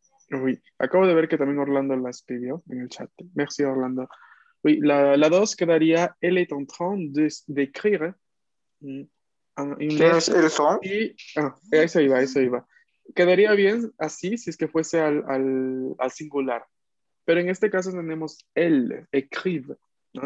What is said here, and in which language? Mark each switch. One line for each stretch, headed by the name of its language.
Spanish: Uy, acabo de ver que también Orlando la escribió en el chat.
French: Merci, Orlando.
Spanish: Uy, la 2 quedaría:
French: Él est en train d'écrire une
Spanish: ¿Quién es
French: lettre.
Spanish: el son? Y eso iba, eso iba. Quedaría bien así si es que fuese al singular. Pero en este caso tenemos él, écrive, ¿no?